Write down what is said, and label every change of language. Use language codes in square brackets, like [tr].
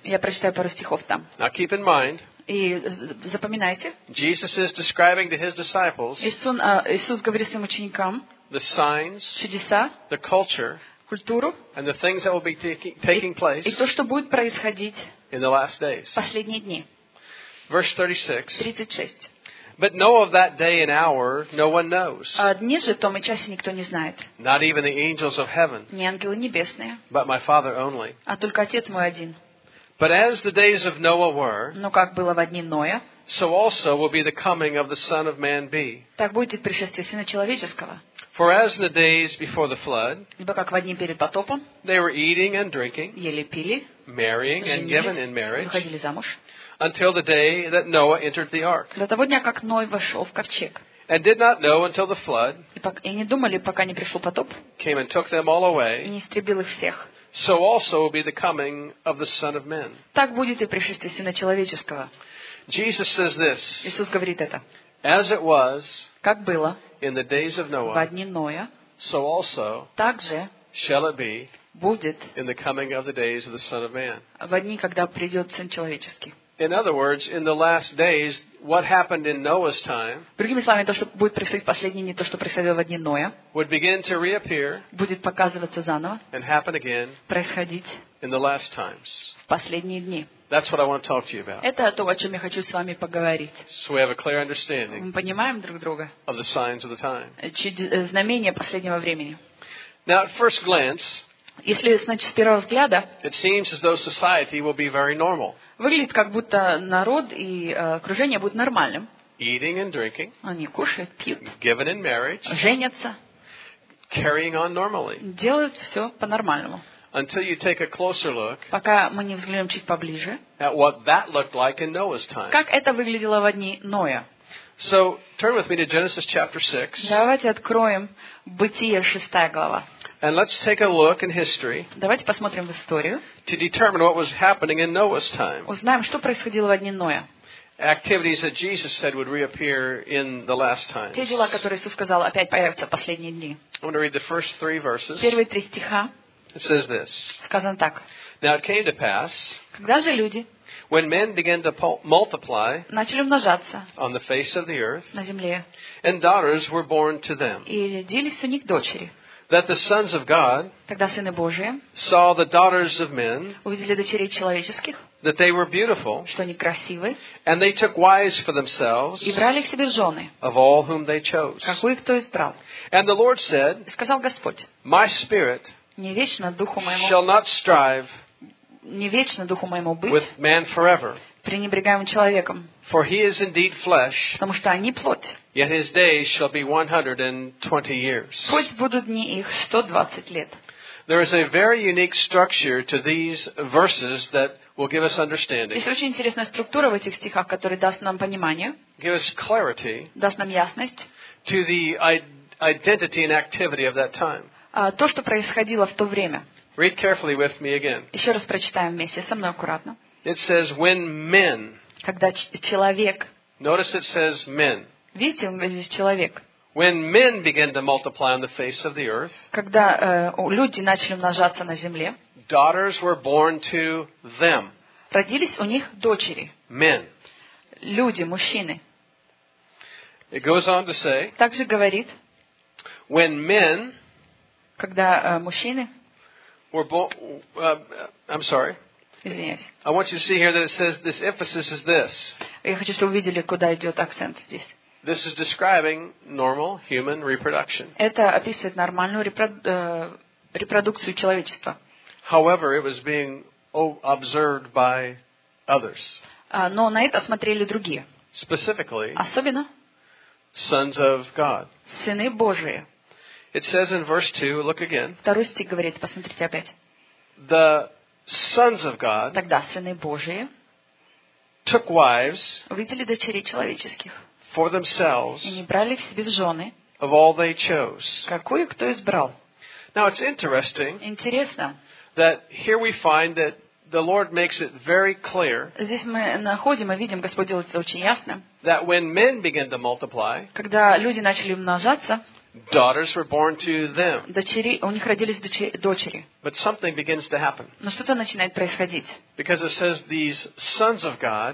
[ru] Я прочитаю пару стихов там. [en] Now keep in mind. [ru] И запоминайте. [en] Jesus is describing to his disciples. [ru] Иисус говорит своим ученикам. [en] The signs. [ru] Чудеса. [en] The culture. [ru] Культуру. [en] And the things that will be taking place. [ru] И то, что будет происходить. [en] In the last days. [ru] Последние дни. [en] Verse 36. [ru] 36. [en] But know of that day and hour, no one knows. [ru] О дне же том и часе никто не знает. [en] Not even the angels of heaven. [ru] Ни ангелы небесные. [en] But my Father only. [ru] А только Отец мой один. [en] But as the days of Noah were. [ru] Но как было в дни Ноя. [en] So also will be the coming of the Son of Man be. [ru] Так будет и пришествие Сына человеческого. [en] For as in the days before the flood. [ru] Либо как в дни перед потопом. [en] They were eating and drinking. [ru] Ели, пили. [en] Marrying and given in marriage. [ru] Выходили замуж. [en] Until the day that Noah entered the ark. [ru] До того дня, как Ной вошел в ковчег. [en] And did not know until the flood. [ru] И не думали, пока не пришел потоп. [en] Came and took them all away. [ru] И не истребил их всех. [en] So also will be the coming of the Son of Man. [ru] Так будет и пришествие Сына человеческого. [en] Jesus says this. [ru] Иисус говорит это. [en] As it was. [ru] Как было. [en] In the days of Noah. [ru] Во дни Ноя. [en] So also. [ru] Так же. [en] Shall it be. [ru] Будет. [en] In the coming of the days of the Son of Man. [ru] Во дни, когда придет Сын человеческий. [en] In other words, in the last days, what happened in Noah's time? [ru] Другими словами, то, что будет происходить в последние дни, то, что происходило в дни Ноя, [en] would begin to reappear, [ru] будет показываться заново, [en] and happen again, [ru] происходить [en] in the last times, [ru] в последние дни. [en] That's what I want to talk to you about. [ru] Это то, о чем я хочу с вами поговорить. [en] So we have a clear understanding. [ru] Мы понимаем друг друга. [en] Of the signs of the time. [ru] Знамения последнего времени. [en] Now, at first glance, [ru] если с первого взгляда, [en] it seems as though society will be very normal. [ru] Выглядит, как будто народ и окружение будут нормальным. [en] Eating and drinking, [ru] они кушают, пьют. [en] Given in marriage, [ru] женятся. [en] Carrying on normally, [ru] делают все по-нормальному. [en] Until you take a closer look, [ru] пока мы не взглянем чуть поближе. [en] At what that looked like in Noah's time. [ru] Как это выглядело во дни Ноя. [en] So, turn with me to Genesis chapter 6. [ru] Давайте откроем Бытие, 6 глава. [en] And let's take a look in history. [ru] Давайте посмотрим в историю. [en] To determine what was happening in Noah's time. [ru] Узнаем, что происходило в дни Ноя. [en] Activities that Jesus said would reappear in the last times. [ru] Те дела, которые Иисус сказал, опять появятся в последние дни. [en] I'm going to read the first three verses. [ru] Первые три стиха. [en] It says this. [ru] Сказано так. [en] Now it came to pass. [ru] Когда же люди? [en] When men began to multiply, [ru] начали умножаться, [en] on the face of the earth, [ru] на земле, [en] and daughters were born to them, [ru] и родились у них дочери, [en] that the sons of God, [ru] тогда сыны Божии, [en] saw the daughters of men, [ru] увидели дочерей человеческих, [en] that they were beautiful, [ru] что они красивы, [en] and they took wives for themselves, [ru] и брали себе жены, [en] of all whom they chose, [ru] какую кто избрал, [en] and the Lord said, [ru] и сказал Господь, [en] my spirit, [ru] не вечно духу моему, [en] shall not strive. [ru] Не вечно духу моему быть, пренебрегаемым человеком, [en] for he is indeed flesh, [ru] потому что они плоть. [en] Yet his days shall be 120 years. [ru] Пусть будут дни их 120 лет. [en] There is a very unique structure to these verses that will give us understanding. [ru] Есть очень интересная структура в этих стихах, которая даст нам понимание. [en] Give us clarity. [ru] Даст нам ясность. [en] To the identity and activity of that time. [ru] То, что происходило в то время. [en] Read carefully with me again. [ru] Еще раз прочитаем вместе, со мной аккуратно. [en] It says when men. [ru] Когда человек. [en] Notice it says men. [ru] Видите, здесь человек. [en] When men began to multiply on the face of the earth. [ru] Когда люди начали умножаться на земле. [en] Daughters were born to them. [ru] Родились у них дочери. [en] Men. [ru] Люди, мужчины. [en] It goes on to say. [ru] Также говорит. [en] When men. [ru] Когда мужчины. [en] We're I'm sorry. [ru] Извиняюсь. [en] I want you to see here that it says this emphasis is this. [ru] Я хочу, чтобы вы видели, куда идет акцент здесь. [en] This is describing normal human reproduction. [ru] Это описывает нормальную репродукцию человечества. [en] However, it was being observed by others. [ru] Но на это смотрели другие. [en] Specifically. [ru] Особенно. [en] sons of God. [ru] Сыны Божии. [en] It says in verse 2, look again. [ru] Второй стих говорит, посмотрите опять. [en] The sons of God. [ru] Тогда сыны Божии. [en] Took wives. [ru] Увидели дочерей человеческих. [en] For themselves. [ru] И не брали в себе в жены. [en] Of all they chose. [ru] Какую кто избрал? [en] Now it's interesting. [ru] Интересно. [en] That here we find that the Lord makes it very clear. [ru] Здесь мы находим и видим, Господь делает это очень ясно. [en] That when men began to multiply. [ru] Когда люди начали умножаться. [en] Daughters were born to them. [ru] Дочери, у них родились дочери. [en] But something begins to happen. [ru] Но что-то начинает происходить. [en] Because it says these sons of God.